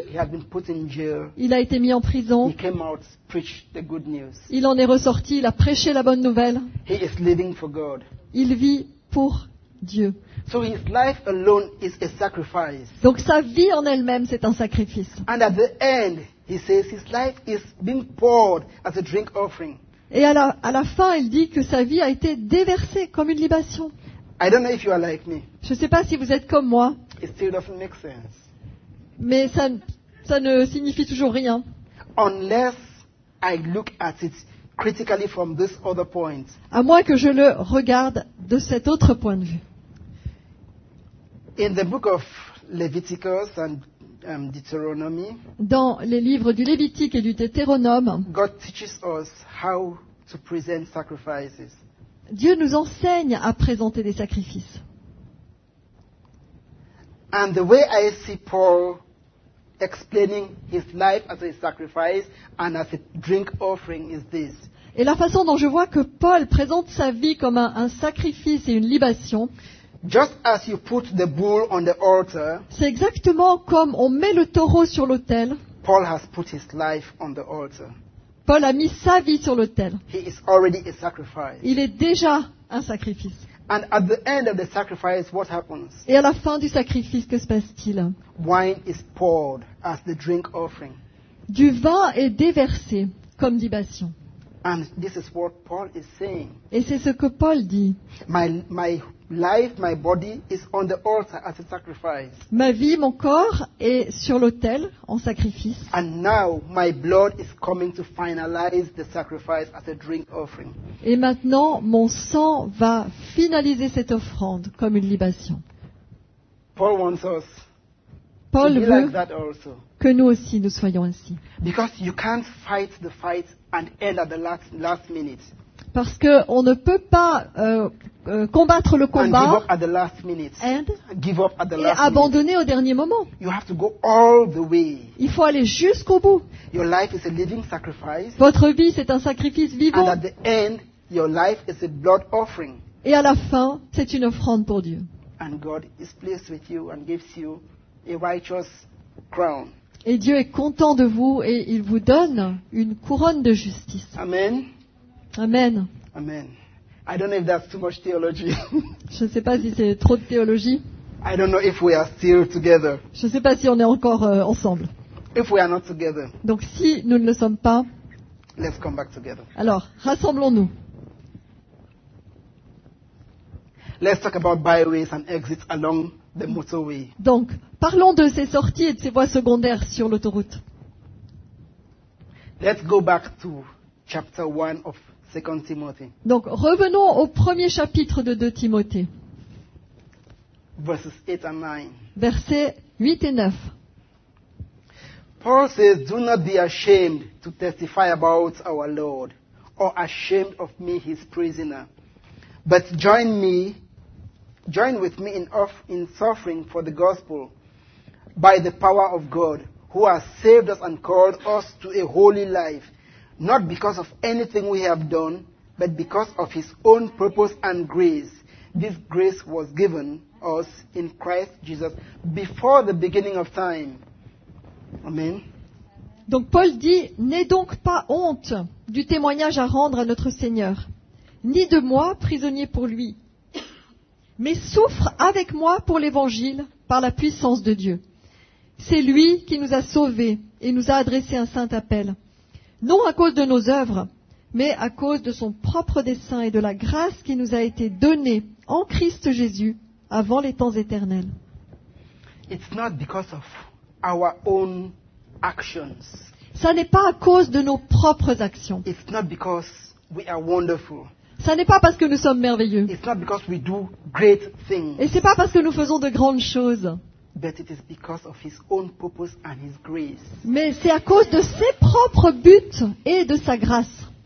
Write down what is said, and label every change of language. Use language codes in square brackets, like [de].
[en] He has been put in jail. [fr] Il a été mis en prison. [en] He came out, preached the good news. [fr] Il en est ressorti, il a prêché la bonne nouvelle. [en] He is living for God. [fr] Il vit pour Dieu. [en] So his life alone is a sacrifice. [fr] Donc sa vie en elle-même, c'est un sacrifice. [en] And at the end, he says his life is being poured as a drink offering. [fr] Et à la fin, il dit que sa vie a été déversée comme une libation. [en] I don't know if you are like me. [fr] Je ne sais pas si vous êtes comme moi. [en] It still doesn't make sense. [fr] Mais ça ne signifie toujours rien. [en] Unless I look at it critically from this other point. [fr] À moins que je le regarde de cet autre point de vue. [en] In the book of Leviticus and Deuteronomy, [fr] dans les livres du Lévitique et du Deutéronome, [en] God teaches us how to present sacrifices. [fr] Dieu nous enseigne à présenter des sacrifices. [en] And the way I see Paul explaining his life as a sacrifice and as a drink offering is this. [fr] Et la façon dont je vois que Paul présente sa vie comme un sacrifice et une libation, [en] just as you put the bull on the altar, [fr] c'est exactement comme on met le taureau sur l'autel. [en] Paul has put his life on the altar. [fr] Paul a mis sa vie sur l'autel. [en] He is already a sacrifice. [fr] Il est déjà un sacrifice. [en] And at the end of the sacrifice, what happens? [fr] Et à la fin du sacrifice, que se passe-t-il? [en] Wine is poured as the drink offering. [fr] Du vin est déversé comme libation. [en] And this is what Paul is saying. [fr] Et c'est ce que Paul dit. [en] My life, my body is on the altar as a sacrifice. [fr] Ma vie, mon corps est sur l'autel en sacrifice. [en] And now my blood is coming to finalize the sacrifice as a drink offering. [fr] Et maintenant mon sang va finaliser cette offrande comme une libation. [en] Paul wants us [fr] Paul [en] to be [fr] veut [en] like that also. [fr] Que nous aussi nous soyons ainsi. [en] Because you can't fight the fight and end at the last minute. [fr] Parce qu'on ne peut pas combattre le combat [en] and give up at the last minute. And give up at the [fr] et [en] last [fr] abandonner [en] minute. [fr] Au dernier moment. [en] You have to go all the way. [fr] Il faut aller jusqu'au bout. [en] Your life is a living sacrifice. [fr] Votre vie, c'est un sacrifice vivant. [en] And at the end, your life is a blood offering. [fr] Et à la fin, c'est une offrande pour Dieu. [en] And God is pleased with you and gives you a righteous crown. [fr] Et Dieu est content de vous et il vous donne une couronne de justice. [en] Amen. [fr] Amen. [en] Amen. I don't know if that's too much theology. [fr] Je ne sais pas si c'est trop de théologie. [en] I don't know if we are still together. [fr] Je ne sais pas si on est encore ensemble. [en] If we are not together. [fr] Donc si nous ne le sommes pas. [en] Let's come back together. [fr] Alors, rassemblons-nous. [en] Let's talk about byways and exits along the motorway. [fr] Donc, parlons de ces sorties et de ces voies secondaires sur l'autoroute. [en] Let's go back to chapter 1 of 2 Timothy. [fr] Donc, revenons au premier chapitre de 2 Timothée. [en] Verses 8 and 9. [fr] Versets 8 et 9. [en] Paul says, "Do not be ashamed to testify about our Lord, or ashamed of me, his prisoner, but join with me in suffering for the gospel by the power of God, who has saved us and called us to a holy life, not because of anything we have done, but because of his own purpose and grace. This grace was given us in Christ Jesus before the beginning of time." Amen. [fr] Donc Paul dit, n'aie donc pas honte du témoignage à rendre à notre Seigneur, ni de moi, prisonnier pour lui, mais souffre avec moi pour l'évangile par la puissance de Dieu. C'est lui qui nous a sauvés et nous a adressé un saint appel, non à cause de nos œuvres, mais à cause de son propre dessein et de la grâce qui nous a été donnée en Christ Jésus avant les temps éternels. [en] It's not because of our own actions. [fr] Ça n'est pas à cause de nos propres actions. [en] It's not because we are wonderful. [fr] Ça n'est pas parce que nous sommes merveilleux. [en] It's not because we do great things. [fr] Et ce n'est pas parce que nous faisons de grandes choses. [en] But it is because of his own purpose and his grace. [fr] Mais c'est à cause de ses propres buts et de sa grâce.